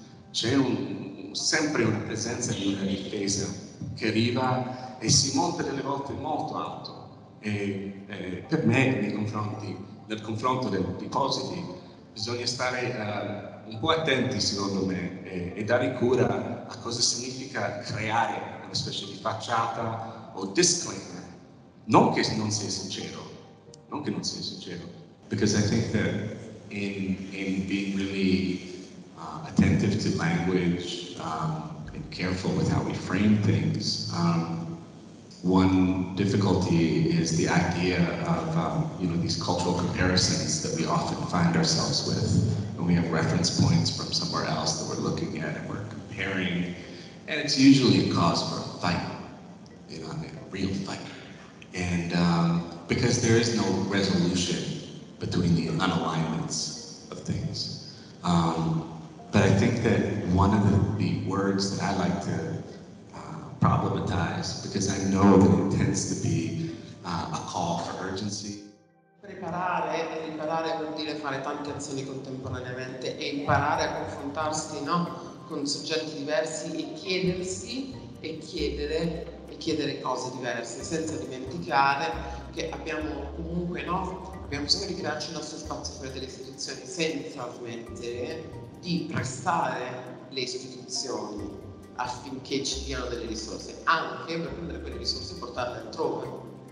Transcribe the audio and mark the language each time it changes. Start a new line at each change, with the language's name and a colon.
Italian: C'è sempre una presenza di una difesa che arriva e si monta delle volte molto alto. E per me, nel confronto del depositi, bisogna stare un po' attenti, secondo me, e dare cura a cosa significa creare una specie di facciata o disclaimer. Non che non sia sincero,
English: because I think that in being really attentive to language and careful with how we frame things, one difficulty is the idea of these cultural comparisons that we often find ourselves with when we have reference points from somewhere else that we're looking at and we're comparing, and it's usually a cause for a fight, a real fight, and because there is no resolution between the unalignments of things. But I think that one of the words that I like to problematize, because I know that it tends to be a call for urgency.
Italian: Preparare vuol dire fare tante azioni contemporaneamente e imparare a confrontarsi, no, con soggetti diversi e chiedersi e chiedere cose diverse, senza dimenticare che abbiamo comunque, no, abbiamo bisogno di crearci il nostro spazio fuori delle istituzioni, senza smettere di prestare le istituzioni affinché ci diano delle risorse, anche per prendere quelle risorse e portarle altrove.